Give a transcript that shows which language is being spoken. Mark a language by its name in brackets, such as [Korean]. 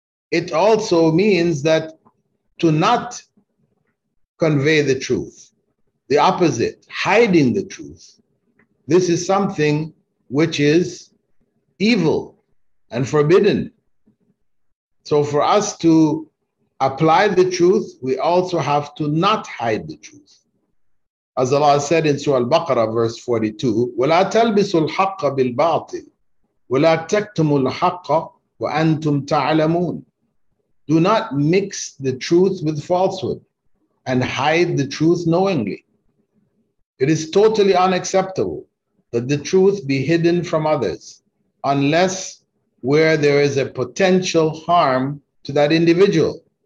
[English] It also means that to not convey the truth, the opposite, hiding the truth, this is something which is evil and forbidden. So for us to apply the truth, we also have to not hide the truth. As Allah said in Surah Al-Baqarah, verse 42, [Arabic] وَلَا تَلْبِسُوا الْحَقَّ بِالْبَاطِلِ وَلَا تَكْتُمُوا الْحَقَّ وَأَنْتُمْ تَعْلَمُونَ. [English] Do not mix the truth with falsehood and hide the truth knowingly. It is totally unacceptable that the truth be hidden from others unless where there is a potential harm to that individual.